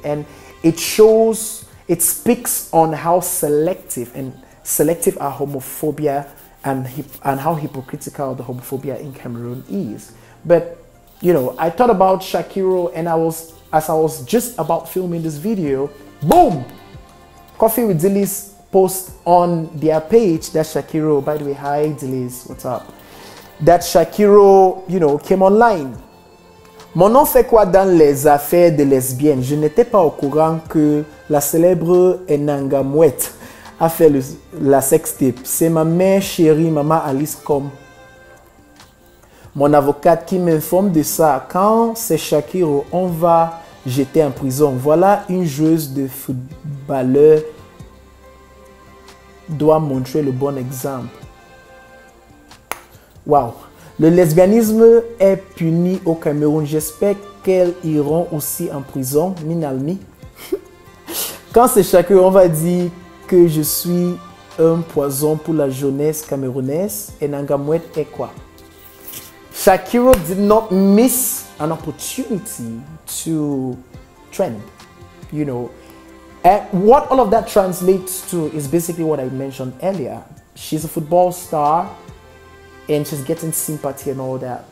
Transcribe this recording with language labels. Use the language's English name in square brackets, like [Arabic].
[English] And it shows, it speaks on how selective are homophobia and how hypocritical the homophobia in Cameroon is. But, you know, I thought about Shakiro and as I was just about filming this video, boom! Coffee with Dilis post on their page that Shakiro, by the way, hi Dilis, what's up? That Shakiro, you know, came online. [French] Mon nom fait quoi dans les affaires de lesbiennes? Je n'étais pas au courant que la célèbre Enganamouit a fait la sex tape. C'est ma mère chérie, maman Alice, comme mon avocate qui m'informe de ça. Quand c'est Shakiro, on va jeter en prison. Voilà une joueuse de footballeur doit montrer le bon exemple. Wow. Le lesbianisme est puni au Cameroun. J'espère qu'elles iront aussi en prison. Minalmi. Quand c'est Shakiro, on va dire que je suis un poison pour la jeunesse camerounaise. Enganamouit est quoi? [English] Shakiro did not miss an opportunity to trend, you know. And what all of that translates to is basically what I mentioned earlier. She's a football star and she's getting sympathy and all that.